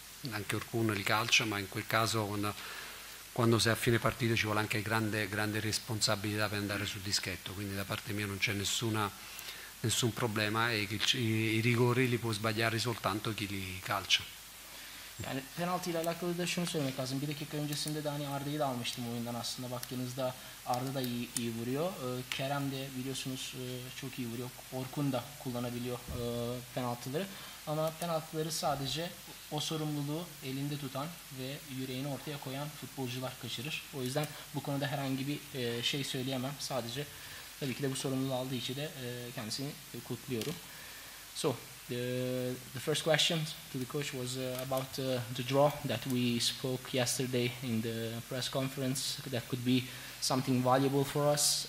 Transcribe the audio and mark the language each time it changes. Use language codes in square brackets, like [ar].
[it] anche Urcun il calcio, ma in quel caso quando sei a fine partita ci vuole anche grande responsabilità per andare sul dischetto, quindi da parte mia non c'è nessun problema, e i rigori li può sbagliare soltanto chi li calcia. [tr] Yani penaltıyla alakalı da şunu söylemek lazım. Bir dakika öncesinde Dani Arda'yı da almıştım oyundan aslında. Baktığınızda Arda da iyi vuruyor. Kerem de biliyorsunuz çok iyi vuruyor. Orkun da kullanabiliyor penaltıları. Ama penaltıları sadece o sorumluluğu elinde tutan ve yüreğini ortaya koyan futbolcular kaçırır. O yüzden bu konuda herhangi bir şey söyleyemem. Sadece tabii ki de bu sorumluluğu aldığı için de kendisini kutluyorum. [en] So, the first question to the coach was about the draw that we spoke yesterday in the press conference, that could be something valuable for us.